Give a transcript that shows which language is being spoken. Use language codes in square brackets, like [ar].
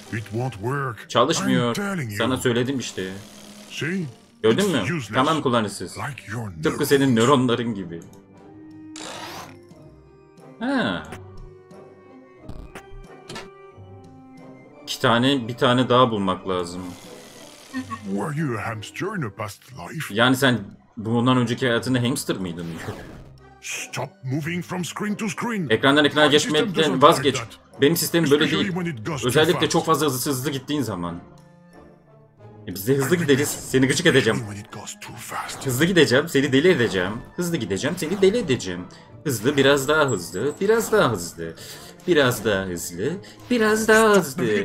[en] It won't work. [tr] Çalışmıyor. Sana söyledim işte. Gördün mü? Tamam kullanırsız. Tıpkı senin nöronların gibi. Ha. İki tane, bir tane daha bulmak lazım. [en] Were you a hamster in a past life? [tr] Yani sen bundan önceki hayatında hamster mıydın? [en] Stop moving from screen to screen. [tr] Ekrandan ekrana geçmekten vazgeç. Benim sistemim böyle değil. Özellikle çok fazla hızlı gittiğin zaman. Biz de hızlı gideriz. Seni gıcık edeceğim. Hızlı gideceğim, seni deli edeceğim. Hızlı gideceğim, seni deli edeceğim. Hızlı, biraz daha hızlı, biraz daha hızlı. Biraz daha hızlı, biraz daha hızlı.